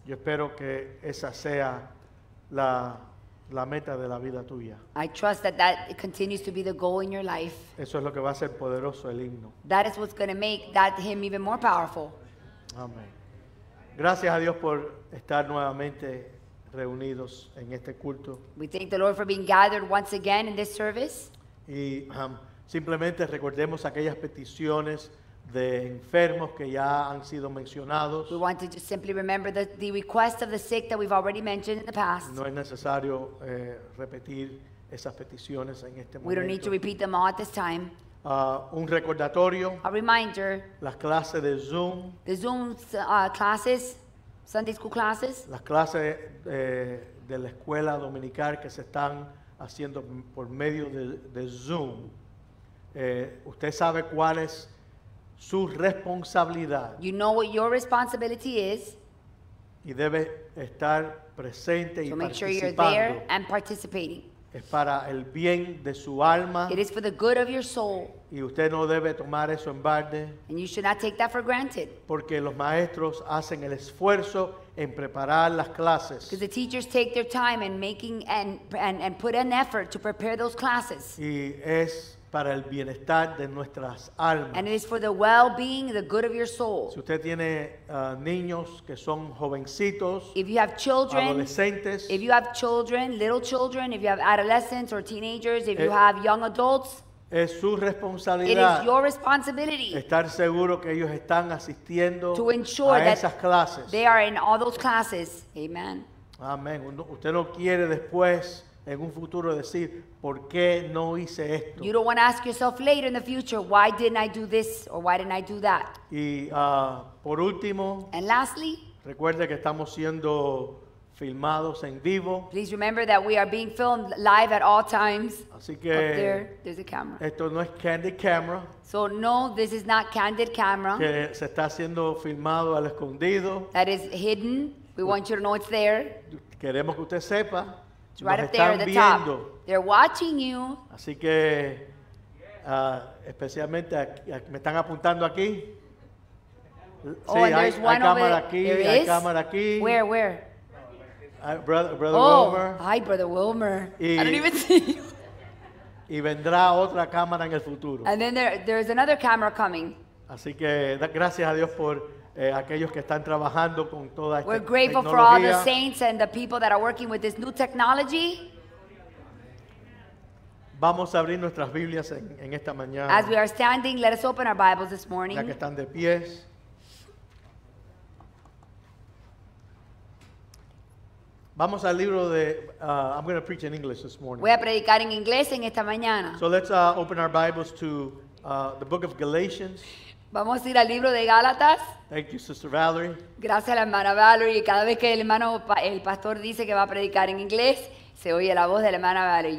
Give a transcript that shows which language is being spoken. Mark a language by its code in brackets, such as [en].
[es] Yo espero que esa sea la meta de la vida tuya. [en] I trust that continues to be the goal in your life. [es] Eso es lo que va a hacer poderoso el himno. [en] That is what's going to make that hymn even more powerful. [es] Amén. Gracias a Dios por estar nuevamente reunidos en este culto. [en] We thank the Lord for being gathered once again in this service. [es] Y simplemente recordemos aquellas peticiones de enfermos que ya han sido mencionados. [en] We want to just simply remember the request of the sick that we've already mentioned in the past. [es] No es necesario repetir esas peticiones en este momento. [en] We don't need to repeat them all at this time. [es] Un recordatorio. [en] A reminder. [es] Las clases de Zoom. [en] The Zoom classes. Sunday school classes. [es] Las clases de la escuela dominical que se están haciendo por medio de Zoom. Usted sabe cuál es su responsabilidad. [en] You know what your responsibility is. [es] Y debe estar presente [en] so make [es] participando. [en] Sure you're there and participating. [es] Es para el bien de su alma. [en] It is for the good of your soul. [es] Y usted no debe tomar eso en balde. [en] And you should not take that for granted. [es] Porque los maestros hacen el esfuerzo en preparar las clases. [en] Because the teachers take their time in making and put an effort to prepare those classes. [es] Y es para el bienestar de nuestras almas. [en] And it is for the well-being, the good of your soul. [es] Si usted tiene niños que son jovencitos, [en] if you have children, [es] adolescentes, [en] if you have children, little children, if you have adolescents or teenagers, if you have young adults, [es] es su responsabilidad. [en] It is your responsibility. [es] Estar seguro que ellos están asistiendo [en] to ensure [es] a esas clases. [en] They are in all those classes. Amen. [es] Amén. Usted no quiere después en un futuro decir ¿por qué no hice esto? [en] You don't want to ask yourself later in the future why didn't I do this or why didn't I do that. [es] Y por último, [en] and lastly, [es] recuerde que estamos siendo filmados en vivo. [en] Please remember that we are being filmed live at all times. [es] Así que [en] up there, there's a camera. [es] Esto no es candid camera. [en] So no, this is not candid camera. [es] Que se está siendo filmado al escondido. [en] That is hidden. We want you to know it's there. [es] Queremos que usted sepa. [en] It's right [es] nos [en] up there at the [es] viendo. [en] Top. They're watching you. [es] Así que, especialmente, me están apuntando aquí. Oh, sí, [en] and there's [es] hay [en] one over [es] aquí, [en] there. [es] Hay cámara aquí. [en] Where? Brother Wilmer. Hi, Brother Wilmer. [es] Y vendrá otra cámara en el futuro. [en] And then there's another camera coming. [es] Así que gracias a Dios por aquellos que están trabajando con toda esta [en] tecnología. We're grateful for all the saints and the people that are working with this new technology. [es] Vamos a abrir nuestras Biblias en esta mañana. [en] As we are standing, let us open our Bibles this morning. [es] Ya que están de pies. Vamos al libro de [en] I'm going to preach in English this morning. [es] Voy a predicar en inglés en esta mañana. [en] So let's open our Bibles to the book of Galatians. [es] Vamos a ir al libro de Gálatas. [en] Thank you, Sister Valerie. [es] Gracias a la hermana Valerie. Cada vez que el pastor dice que va a predicar en inglés, se oye la voz de la hermana Valerie.